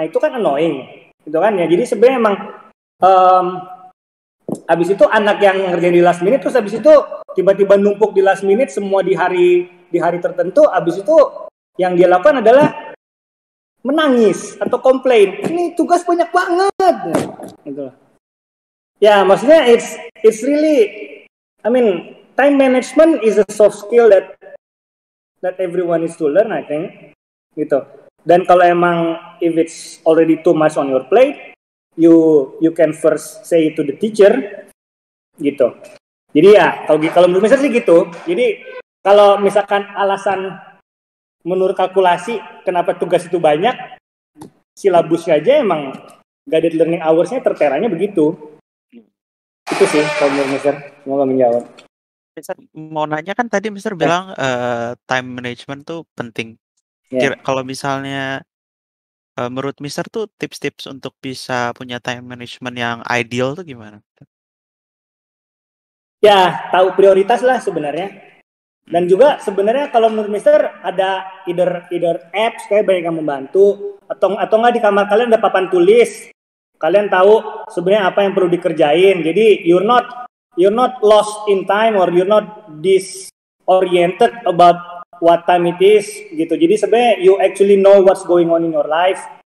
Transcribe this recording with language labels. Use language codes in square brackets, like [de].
[id] Nah, itu kan annoying gitu kan ya. Jadi sebenarnya emang habis itu anak yang ngerjain di last minute, terus habis itu tiba-tiba numpuk di last minute semua di hari tertentu, habis itu yang dia lakukan adalah menangis atau komplain, ini tugas banyak banget gitu. Ya maksudnya [en] it's really time management is a soft skill that everyone is to learn I think gitu. [id] Dan kalau emang [en] if it's already too much on your plate, you can first say it to the teacher gitu. [id] Jadi ya kalau belum bisa sih gitu. Jadi kalau misalkan alasan menurut kalkulasi kenapa tugas itu banyak, silabusnya aja emang guided learning hours-nya terteranya begitu. Itu sih kalau Mister mau menjawab. Mister mau nanya kan tadi Mister bilang time management tuh penting. Yeah. Kalau misalnya menurut Mister tuh tips-tips untuk bisa punya time management yang ideal tuh gimana? Ya, tahu prioritas lah sebenarnya. Dan juga sebenarnya kalau menurut Mister ada either apps kayak banyak yang membantu atau enggak di kamar kalian ada papan tulis. Kalian tahu sebenarnya apa yang perlu dikerjain. [en] Jadi you're not lost in time or you're not disoriented about what time it is gitu. [id] Jadi sebenarnya [en] you actually know what's going on in your life.